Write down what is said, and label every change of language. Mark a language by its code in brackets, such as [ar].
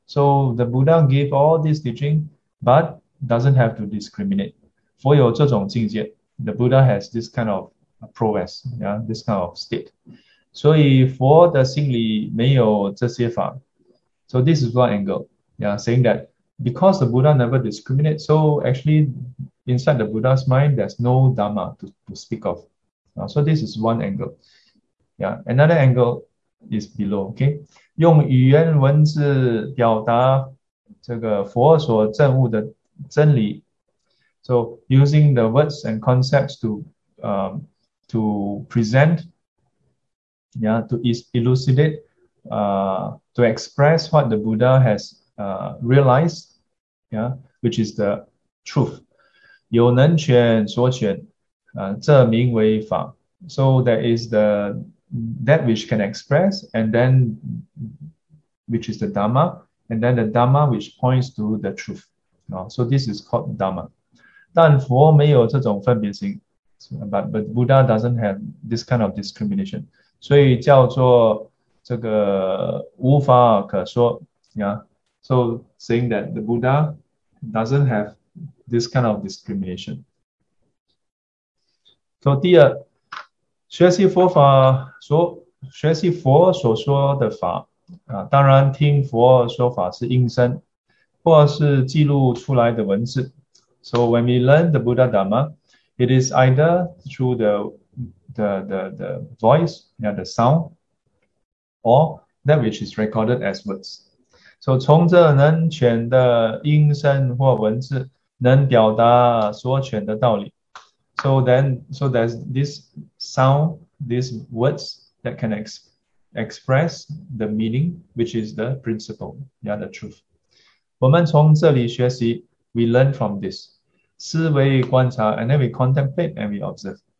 [en] So the Buddha gave all this teaching, but doesn't have to discriminate. [zh] 佛有这种境界， [en] the Buddha has this kind of prowess, yeah, this kind of state. [zh] 所以佛的心里没有这些法。 [en] So this is one angle, yeah, saying that because the Buddha never discriminate, so actually inside the Buddha's mind, there's no Dharma to speak of. So this is one angle. Yeah, another angle is below. Okay, [zh] 用语言文字表达这个佛所证悟的真理。 [en] So using the words and concepts to present, yeah, to elucidate, to express what the Buddha has realized, yeah, which is the truth. [zh] 有能权所权，这名为法。 [en] So that is the that which can express, and then which is the Dharma, And then the Dhamma, which points to the truth. So this is called Dhamma. [zh] 但佛没有这种分别心, [en] but Buddha doesn't have this kind of discrimination. [zh] 所以叫做这个无法可说, [en] yeah? So saying that the Buddha doesn't have this kind of discrimination. So [zh] 第二, 学习佛所说的法, 当然听佛说法是应声或是记录出来的文字。 [en] So when we learn the Buddha Dhamma, it is either through the voice, yeah, the sound, or that which is recorded as words. So [zh] 从这能诠的音声或文字能表达所诠的道理。 [en] So there's this sound, these words that can express the meaning, which is the principle, yeah, the truth. [zh] 我们从这里学习, [en] we learn from this. [zh] 思维观察, [en] and then we contemplate and we observe.